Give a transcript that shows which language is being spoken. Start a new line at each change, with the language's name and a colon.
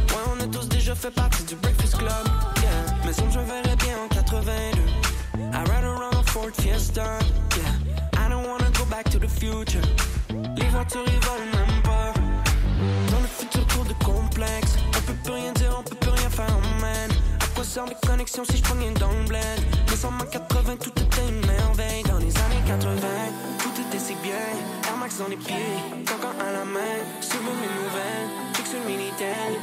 French: Ouais, on a tous déjà fait partie du Breakfast Club, yeah. Mais ça me verrait bien en 82.
English: I ride around a Ford Fiesta, yeah. I don't wanna go back to the future.
French: Les voitures, ils volent même pas. Dans le futur, trop de complexe. On peut plus rien dire, on peut plus rien faire, man. À quoi sert les connexions si je prends rien dans le bled? Mais sans ma 80, tout était une merveille. Dans les années 80, tout était si bien. Air Max dans les pieds, coquant à la main. Souvent mes nouvelles, check sur le Minitel.